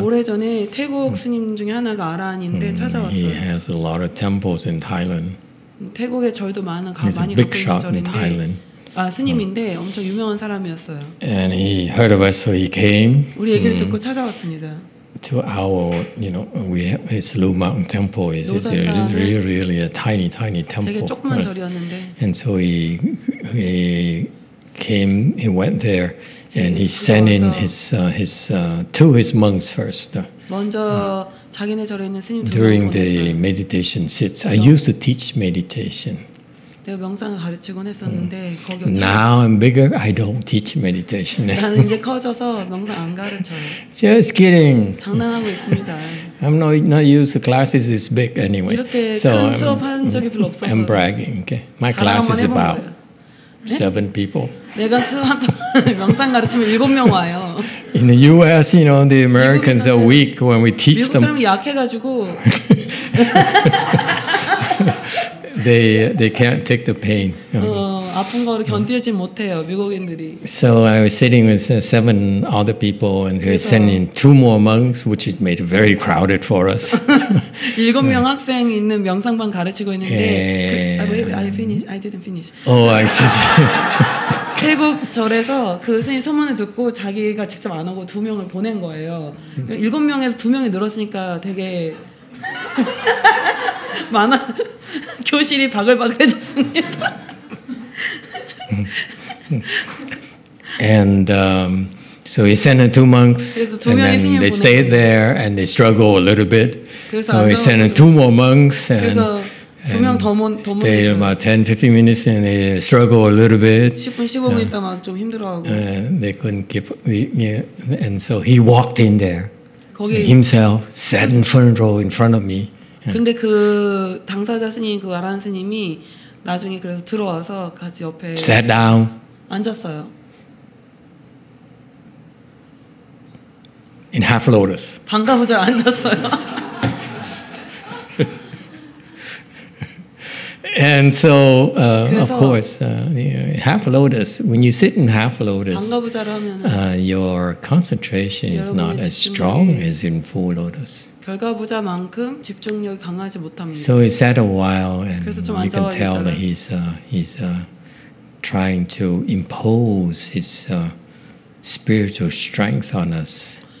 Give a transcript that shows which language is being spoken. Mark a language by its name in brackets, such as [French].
[Korean] 오래전에 태국 스님 중에 하나가 아라한인데 찾아왔어요. [English] He has a lot of temples in Thailand. [Korean] 태국에 절도 많은 가 많이 갖고 있는 절인데. [English] In Thailand. [Korean] 아 스님인데 엄청 유명한 사람이었어요. [English] And he heard of us, so he came. [Korean] 우리 얘기를 듣고 찾아왔습니다. [English] To our, you know, we have his Lu Mountain Temple is really a tiny temple. [Korean] 되게 조그만 절이었는데. [English] And so he went there. And he sent in his monks first. [Korean] 먼저 자기네 절에 있는 스님 두 명 [English] During [Korean] 보냈어요. [English] The meditation sits, I used to teach meditation. [Korean] 내가 명상을 가르치곤 했었는데 거기. [English] Now I'm bigger. I don't teach meditation. [Korean] 나는 이제 커져서 명상 안 가르쳐요. [English] Just kidding. [Korean] 장난하고 있습니다. [English] I'm not used to classes this big anyway. [Korean] 이렇게 [English] so [Korean] 큰 수업한 적이 별로 없어서. [English] I'm bragging. Okay, my class is about. [Korean] 네? [English] Seven people. [Korean] 내가 수업 명상 가르치면 일곱 명 와요. [English] In the U.S., you know, the Americans are weak when we teach them. [Korean] 미국 사람이 약해가지고. [English] They can't take the pain. [Korean] 아픈 거를 견디지 못해요, 미국인들이. [English] So I was sitting with seven other people, and they sent in two more monks, which it made it very crowded for us. [Korean] 일곱 명 학생 있는 명상반 가르치고 있는데. [English] I didn't finish. Oh, I see. [Korean] 태국 절에서 그 스님 소문을 듣고 자기가 직접 안 오고 두 명을 보낸 거예요. 일곱 명에서 두 명이 늘었으니까 되게 많아. 교실이 바글바글해졌습니다. [English] And so he sent in two monks, and then they stayed there and they struggled a little bit. So he sent in two more monks, and stayed about 10-15 minutes, and they struggled a little bit. [Korean] 10분 있다 막 좀 힘들어하고. [English] They couldn't keep, and so he walked in there. [Korean] 거기 [English] himself sat in front row in front of me. [Korean] 근데 그 당사자 스님 그 아라한 스님이 나중에 그래서 들어와서 같이 옆에 [English] sat down [Korean] 앉았어요. [English] In half lotus. [Korean] 반가부절 앉았어요. [English] And so, of course, half lotus. When you sit in half lotus, [Korean] 반가부절을 하면 [English] your concentration is not as strong as in full lotus. [Korean] 결과부자만큼 집중력이 강하지 못합니다. [English] So he sat a while, and you can tell that he's trying to impose his spiritual strength on us.